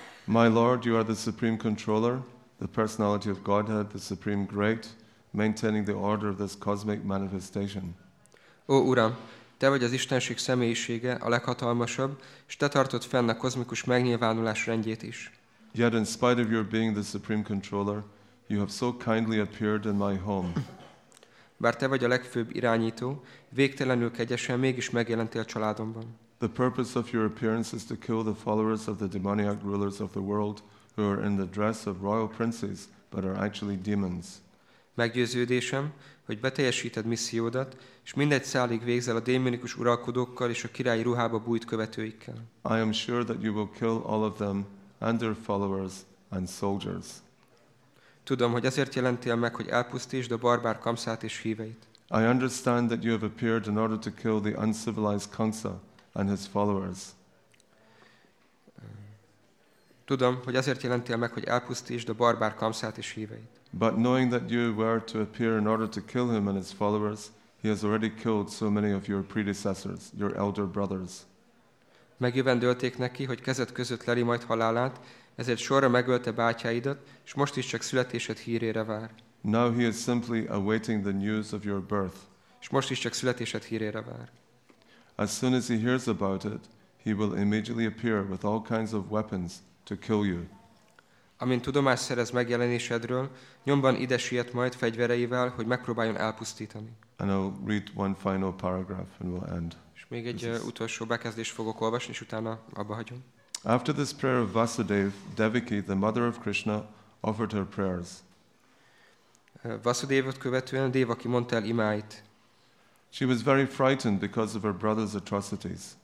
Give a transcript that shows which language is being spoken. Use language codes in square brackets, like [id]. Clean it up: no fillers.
[en] My Lord, you are the Supreme Controller, the Personality of Godhead, the Supreme Great, maintaining the order of this cosmic manifestation. [hu] Ó Uram, te vagy az Istenség személyisége, a leghatalmasabb, és te tartod fenn a kozmikus megnyilvánulás rendjét is. [en] Yet in spite of your being the Supreme Controller, you have so kindly appeared in my home. [hu] Bár te vagy a legfőbb irányító, végtelenül kegyesen mégis megjelentél családomban. [en] The purpose of your appearance is to kill the followers of the demoniac rulers of the world who are in the dress of royal princes but are actually demons. [hu] Meggyőződésem, hogy beteljesíted missziódat, és mindegy szálig végzel a démonikus uralkodókkal és a királyi ruhába bújt követőikkel. [en] I am sure that you will kill all of them and their followers and soldiers. [hu] Tudom, hogy ezért jelentél meg, hogy elpusztítsd a barbár Kamszát és híveit. [en] I understand that you have appeared in order to kill the uncivilized Kamsa and his followers. [hu] Tudom, hogy ezért jelentél meg, hogy elpusztítsd a barbár Kamszát és híveit. [en] But knowing that you were to appear in order to kill him and his followers, He has already killed so many of your predecessors, your elder brothers. [hu] Megjövendölték neki, hogy kezet között leli majd halálát, ezért sorra megölte bátyáidat, és most is csak születésed hírére vár. [en] Now he is simply awaiting the news of your birth. [hu] És most is csak születésed hírére vár. [en] As soon as he hears about it, he will immediately appear with all kinds of weapons to kill you. [hu] Amint tudomást szerez megjelenésedről, nyomban ide siet majd fegyvereivel, hogy megpróbáljon elpusztítani. [en] And I'll read one final paragraph and we'll end. [hu] És még egy utolsó bekezdést fogok olvasni, és utána abba hagyom. [en] After this prayer of Vasudev, Deviki, the mother of Krishna, offered her prayers. [hu] Vasudevot követően Devaki mondta el imáit. [en] She was very frightened because of her brother's atrocities.